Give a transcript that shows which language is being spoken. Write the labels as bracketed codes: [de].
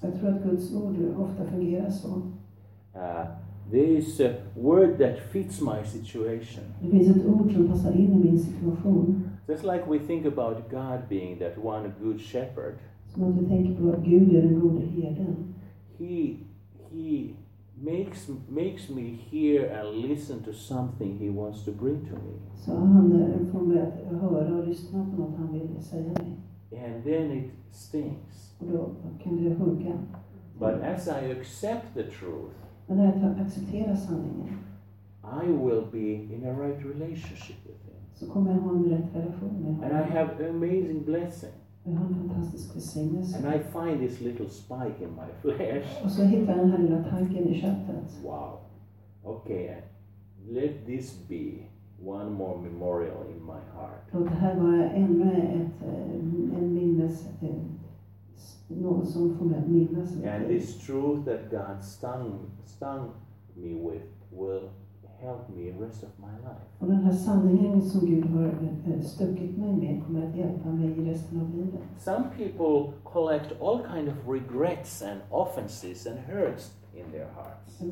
[sv] Jag tror att Guds ord ofta fungerar så. [en] This word that fits my situation. [sv] Det finns ett ord som passar in i min situation. [en] Just like we think about God being that one good shepherd. [sv] Som att vi tänker på att Gud är den gode herden. [en] He makes me hear and listen to something he wants to bring to me. [sv] Så han får mig att höra och lyssna på något han vill säga mig. [en] And then it stings. [sv] Då kan det hugga. [en] But as I accept the truth, [sv] men när jag accepterar sanningen, [en] I will be in a right relationship with him. [sv] Så kommer jag ha en rätt relation med honom. [en] And I have amazing blessing. [sv] Jag har en fantastisk välsignelse. [en] And I find this little spike in my flesh. [sv] Och så hittar jag den här lilla tanken i köttet. [en] Wow. Okay, let this be one more memorial in my heart. [sv] Och det här var ännu ett något som får mig att minnas. [en] And this truth that God stung me with will help me the rest of my life. [sv] Och den här sanningen som Gud har stuckit mig med kommer att hjälpa mig i resten av livet. [en] Some people collect all kind of regrets and offenses and hurts in their hearts.